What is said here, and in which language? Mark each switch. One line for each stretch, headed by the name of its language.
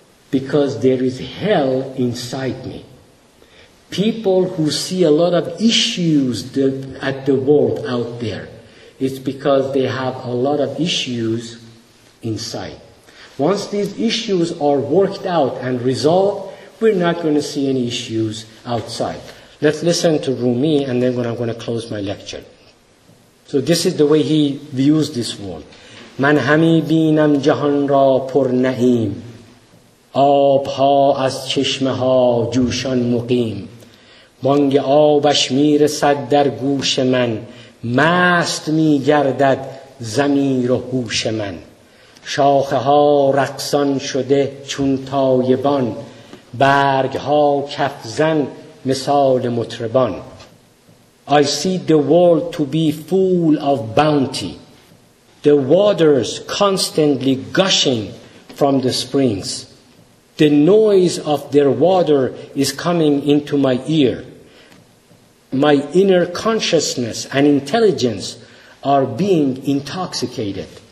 English: Because there is hell inside me. People who see a lot of issues at the world out there, it's because they have a lot of issues inside. Once these issues are worked out and resolved, we're not going to see any issues outside. Let's listen to Rumi, and then I'm going to close my lecture. So this is the way he views this world.
Persian: من همی بینم جهان را پر نعیم، آب ها از چشمه ها جوشان مقیم، بانگ آبش میرسد در گوش من، مست میگردد ضمیر و هوش من، شاخه ها رقصان شده چون تایبان، برگ ها کف زن مثال مطربان.
English: I see the world to be full of bounty, the waters constantly gushing from the springs. The noise of their water is coming into my ear. My inner consciousness and intelligence are being intoxicated.